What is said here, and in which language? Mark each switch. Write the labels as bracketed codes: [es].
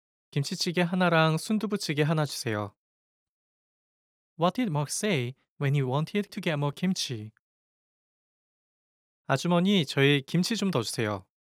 [ko] 김치찌개 하나랑 순두부찌개 하나 주세요. [en] What did Mark say when he wanted to get more kimchi? [ko] 아주머니, 저희 김치 좀 더 주세요.